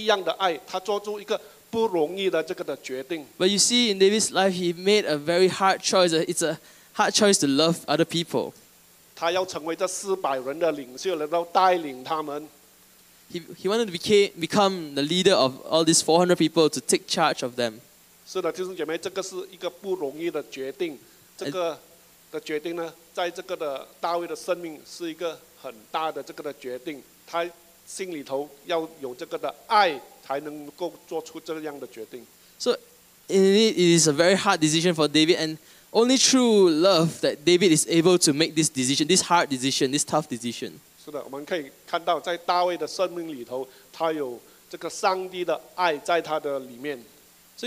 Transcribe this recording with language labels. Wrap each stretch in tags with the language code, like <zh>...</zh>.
<zh>但是呢，在这几节经文呢，我们看到呢，在大卫身上，他有不一样的爱，他做出一个不容易的这个的决定。</zh> <en>But you see in David's life, he made a very hard choice. It's a hard choice to love other people.</en> <zh>他要成为这400人的领袖，来到带领他们。</zh> <en>He wanted to become the leader of all these 400 people to take charge of them.</en> <zh>是的，弟兄姐妹，这个是一个不容易的决定。这个的决定呢，在这个的大卫的生命是一个很大的这个的决定。他心里头要有这个的爱，才能够做出这样的决定。</zh> <en>So, it is a very hard decision for David and. Only true love that David is able to make this decision, this hard decision, this tough decision.</en> <zh>是的，我们可以看到在大卫的生命里头，他有这个上帝的爱在他的里面。</zh> <en>So</en>